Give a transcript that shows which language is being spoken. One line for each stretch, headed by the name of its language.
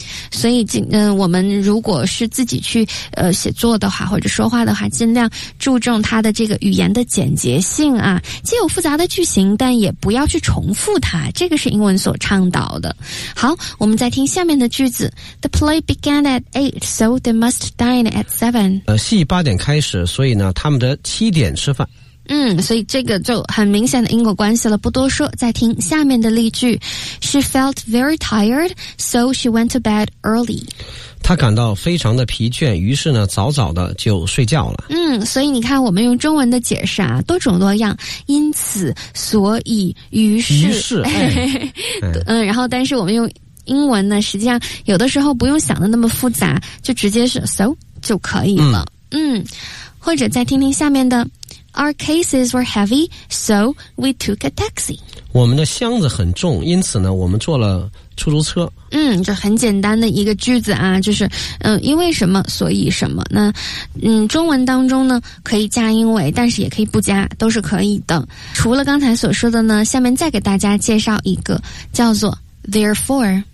Chinese: 所以我们如果是自己去写作的话或者说话的话，尽量注重它的这个语言的简洁性啊，既有复杂的句型但也不要去重复它，这个是英文所倡导的。好，我们再听下面的句子。
English: The play began at 8, so they must dine at 7.
Chinese: 戏八点开始，所以呢他们的七点吃饭。嗯，所以这个就很明显的因果关系了，不多说，再听下面的例句。
English: She felt very tired, so she went to bed early.
Chinese: 她感到非常的疲倦，于是呢，早早的就睡觉了。嗯，所以你看我们用中文的解释啊，多种多样，因此，所以，于是、哎、嗯，然后但是我们用英文呢，实际上有的时候不用想的那么复杂，就直接是 so 就可以了。嗯，或者再听听下面的。
English: Our cases were heavy, so we took a taxi.
Chinese: 我们的箱子很重，因此呢，我们坐了出租车。嗯，就很简单的一个句子啊，就是因为什么，所以什么。那中文当中呢，可以加因为，但是也可以不加，都是可以的。除了刚才所说的呢，下面再给大家介绍一个，叫做 therefore。